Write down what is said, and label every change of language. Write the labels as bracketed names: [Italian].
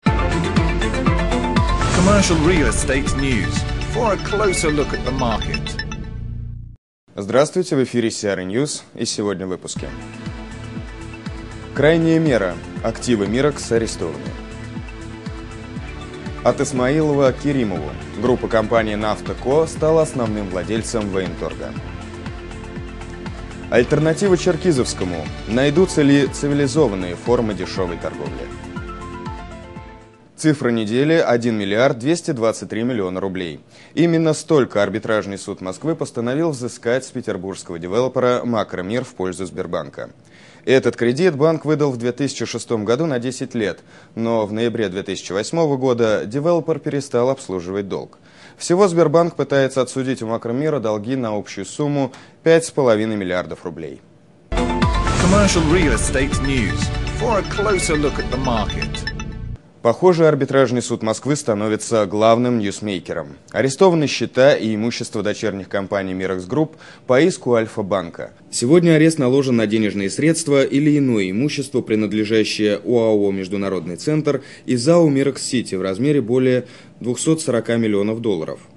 [English] Commercial Real Estate News for a closer look at the market. [Russian] Здравствуйте, в эфире CR News и сегодня в выпуске. Крайняя мера. Активы Мирекс арестованы. От Исмаилова к Керимову. Группа компании «Нафтоко» стала основным владельцем Военторга. Альтернатива Черкизовскому. Найдутся ли цивилизованные формы дешевой торговли? Цифра недели – 1 миллиард 223 миллиона рублей. Именно столько арбитражный суд Москвы постановил взыскать с петербургского девелопера «Макромир» в пользу Сбербанка. Этот кредит банк выдал в 2006 году на 10 лет, но в ноябре 2008 года девелопер перестал обслуживать долг. Всего Сбербанк пытается отсудить у «Макромира» долги на общую сумму 5,5 миллиардов рублей. [English] Commercial Real Estate News. For a closer look at the market. [Russian] Похоже, арбитражный суд Москвы становится главным ньюсмейкером. Арестованы счета и имущество дочерних компаний «Мирекс Групп» по иску Альфа-банка. Сегодня арест наложен на денежные средства или иное имущество, принадлежащее ОАО «Международный центр» и ЗАО «Мирекс Сити» в размере более 240 миллионов долларов.